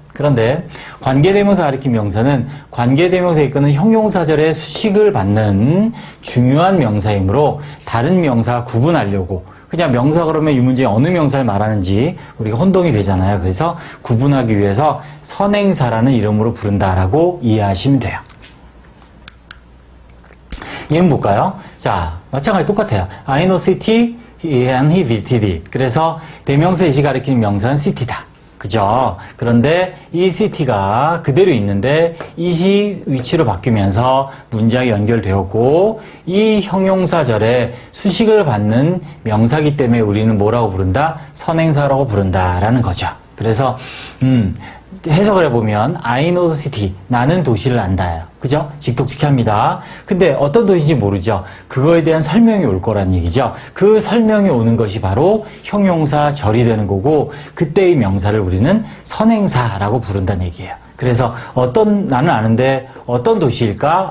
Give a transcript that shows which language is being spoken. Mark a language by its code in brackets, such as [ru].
[ko] 그런데 관계대명사 가리킨 명사는 관계대명사에 이끄는 형용사절의 수식을 받는 중요한 명사이므로 다른 명사 구분하려고 그냥 명사 그러면 이 문제에 어느 명사를 말하는지 우리가 혼동이 되잖아요. 그래서 구분하기 위해서 선행사라는 이름으로 부른다라고 이해하시면 돼요. 예문 볼까요? 자, 마찬가지 똑같아요. [en] I know city and he visited it. [ko] 그래서 대명사 이시 가리키는 명사는 city다. 그죠? 그런데 이 city가 그대로 있는데 이시 위치로 바뀌면서 문장이 연결되었고 이 형용사절에 수식을 받는 명사기 때문에 우리는 뭐라고 부른다? 선행사라고 부른다라는 거죠. 그래서 해석을 해보면 [en] I know the city. [ko] 나는 도시를 안다요. 그죠? 직독직합니다. 근데 어떤 도시인지 모르죠? 그거에 대한 설명이 올 거란 얘기죠. 그 설명이 오는 것이 바로 형용사절이 되는 거고 그때의 명사를 우리는 선행사라고 부른다는 얘기예요. 그래서 나는 아는데 어떤 도시일까?